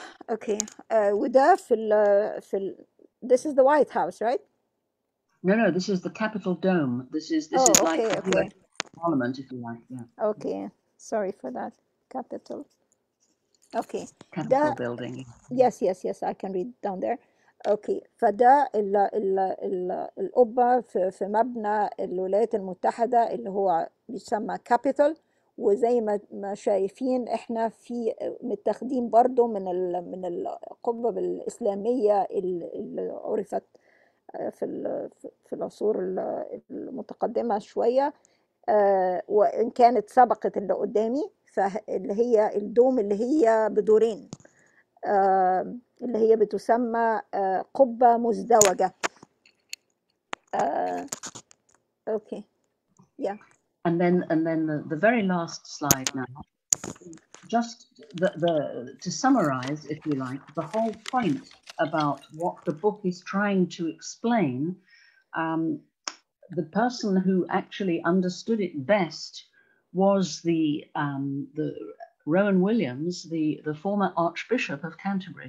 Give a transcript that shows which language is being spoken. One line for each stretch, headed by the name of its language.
English: Okay,
Arabic: وده في ال
English: this is the White House, right? No, this is the Capitol Dome. This is like Parliament, if you like. Yeah. Okay, sorry for that. Capitol. Okay. Capitol building. Yes, I can read down there.
Arabic: Okay, فده القبة في مبنى الولايات المتحدة اللي هو بيسمى Capitol. وزي ما شايفين احنا في متاخدين برضو من القبة الإسلامية اللي عرفت في العصور المتقدمة شوية وإن كانت سبقت اللي قدامي فاللي هي الدوم اللي هي بدورين اللي هي بتسمى قبة مزدوجة اوكي يا
English: And then the very last slide now. Just the to summarize, if you like, the whole point about what the book is trying to explain the person who actually understood it best was the Rowan Williams, the former Archbishop of Canterbury.